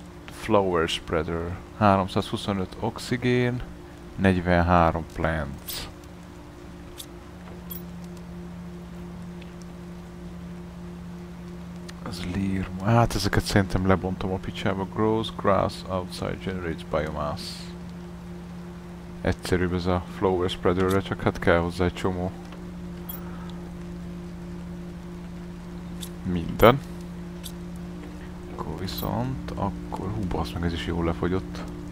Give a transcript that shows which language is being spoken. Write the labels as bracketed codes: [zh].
[en] Flower spreader. 325 oxigén, 43 plants. [hu] Az lírma. Hát ezeket szerintem lebontom a picsába. [en] Grows grass outside generates biomass. [hu] Egyszerűbb ez a flower spreaderre, csak hát kell hozzá egy csomó. Minden. Akkor viszont, akkor... hú, basz meg, ez is jól lefogyott.